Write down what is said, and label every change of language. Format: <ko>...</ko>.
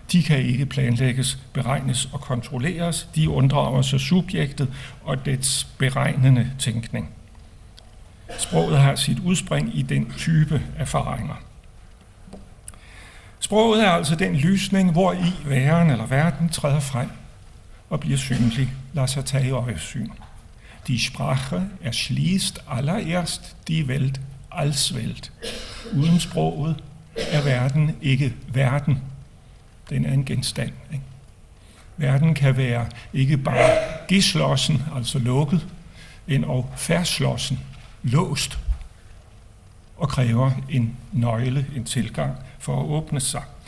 <da>De kan ikke planlægges, beregnes og kontrolleres. De unddrager sig subjektet og dets beregnende tænkning. Sproget har sit udspring i den type erfaringer. Sproget er altså den lysning, hvor i væren eller verden træder frem og bliver synlig, lader sig tage i øjesyn.</da> <de>Die Sprache erschließt allererst die Welt als Welt.</de> <da>Uden sproget er verden ikke verden. Den er en genstand. Ikke? Verden kan være ikke bare geschlossen, altså lukket, end og verschlossen, låst, og kræver en nøgle, en tilgang for at åbne sig.</da>